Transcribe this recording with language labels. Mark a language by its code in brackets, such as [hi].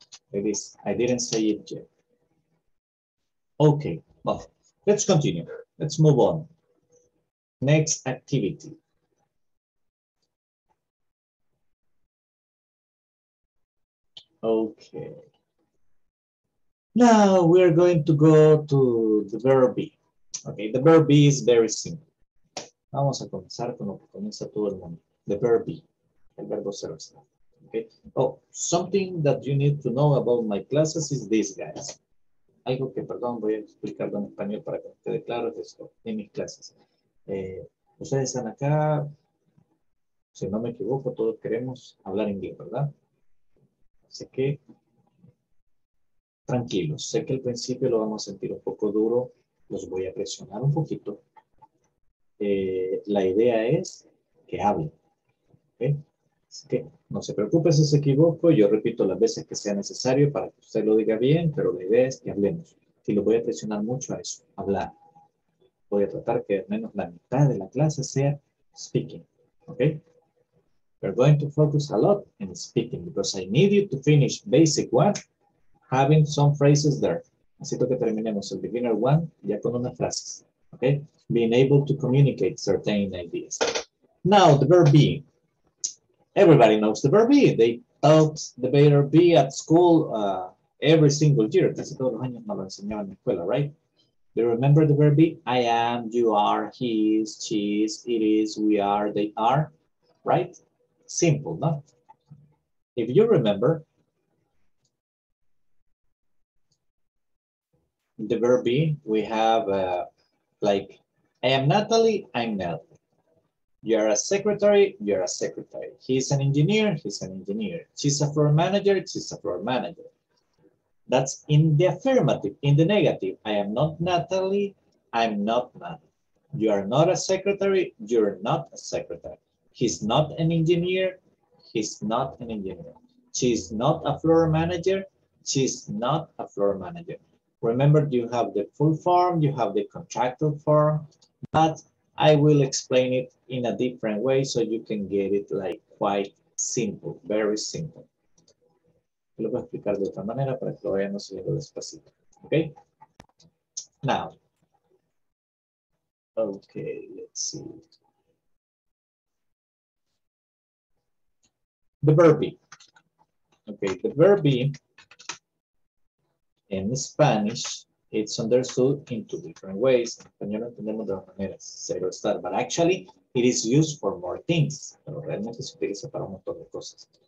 [en] It is, I didn't say it yet. Okay, well, let's continue. Let's move on. Next activity. Okay. Now we are going to go to the verb be. Okay, the verb be is very simple. [es] Vamos a comenzar con lo que comienza todo el mundo. [en] The verb be, [es] el verbo ser. [en] Okay. Oh, something that you need to know about my classes is this, guys. [es] algo que, perdón, voy a explicarlo en español para que quede claro, es esto, en mis clases. Ustedes están acá, si no me equivoco, todos queremos hablar inglés, ¿verdad? Así que, tranquilos, sé que al principio lo vamos a sentir un poco duro, los voy a presionar un poquito. La idea es que hablen, ¿ok? Así que no se preocupe si se equivoco, yo repito las veces que sea necesario para que usted lo diga bien, pero la idea es que hablemos. Y lo voy a presionar mucho a eso, hablar. Voy a tratar que al menos la mitad de la clase sea speaking, ¿ok? [en] We're going to focus a lot in speaking because I need you to finish basic one having some phrases there. [es] Necesito que terminemos el beginner one ya con unas frases, ¿ok? [en] Being able to communicate certain ideas. Now, the verb be. Everybody knows the verb be. They taught the verb be at school every single year. [es] Casi todos los años nos lo enseñaron en la escuela, right? [en] Do you remember the verb be? I am, you are, he is, she is, it is, we are, they are, right? Simple, no? If you remember, the verb be, we have like, I am Natalie, I'm Nell. You are a secretary, you're a secretary. He's an engineer, he's an engineer. She's a floor manager, she's a floor manager. That's in the affirmative, in the negative. I am not Natalie, I'm not Natalie. You are not a secretary, you're not a secretary. He's not an engineer, he's not an engineer. She's not a floor manager, she's not a floor manager. Remember, you have the full form, you have the contractual form, but I will explain it in a different way so you can get it like quite simple, very simple. [es] Lo voy a explicar de otra manera para que lo vayamos siguiendo despacito, okay? [en] Now, okay, let's see. The verb be. Okay, the verb be in Spanish, it's understood in two different ways. [es] En español entendemos de dos maneras, ser o estar, [en] but actually it is used for more things. [es] Pero realmente se utiliza para un montón de cosas.